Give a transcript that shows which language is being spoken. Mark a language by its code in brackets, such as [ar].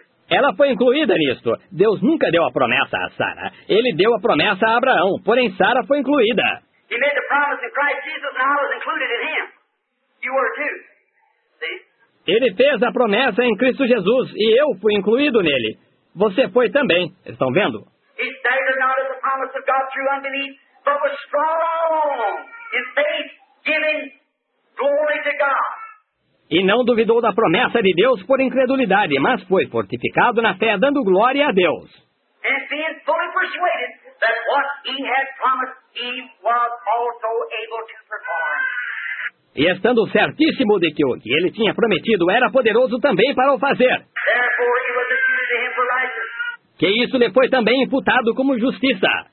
[pt] Ela foi incluída nisto. Deus nunca deu a promessa a Sara. Ele deu a promessa a Abraão, porém Sara foi incluída. [en] He made the promise in Christ Jesus, and I was included in him. You were too. See? [pt] Ele fez a promessa em Cristo Jesus, e eu fui incluído nele. Você foi também. Estão vendo? [en] He staggered not as the promise of God through unbelief, but was strong in faith, giving glory to God. [pt] E não duvidou da promessa de Deus por incredulidade, mas foi fortificado na fé, dando glória a Deus. [en] And being fully persuaded that what he had promised, he was also able to perform. [pt] E estando certíssimo de que o que ele tinha prometido era poderoso também para o fazer. [en] Therefore, he was imputed to him for righteousness. [pt] Que isso lhe foi também imputado como justiça.